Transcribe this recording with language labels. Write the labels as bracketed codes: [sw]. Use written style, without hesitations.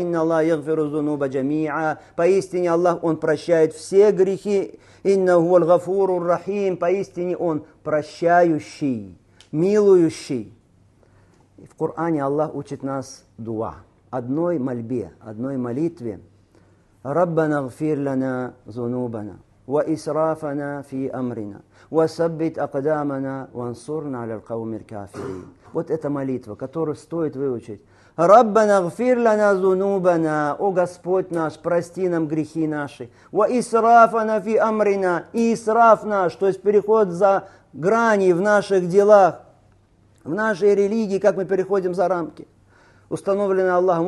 [ar] «Инна Аллах ягфиру зунуба джамиа». [ru] Поистине Аллах, Он прощает все грехи. [ar] «Инна хуваль гафуру рахим». [ru] Поистине Он прощающий, милующий. И в Коране Аллах учит нас дуа. Одной мольбе, одной молитве. [ar] «Раббана гфир лана зунубана». وإسرافنا في أمرنا وثبت أقدامنا وانصرنا على القوم الكافرين. [ru] Вот эта молитва, которую стоит выучить. [ar] ربنا اغفر لنا ذنوبنا. [ru] О Господь наш, прости нам грехи наши. [ar] وإسرافنا في أمرنا. [ru] И исраф наш, то есть переход за грани в наших делах, в нашей религии, как мы переходим за рамки, установленные Аллахом.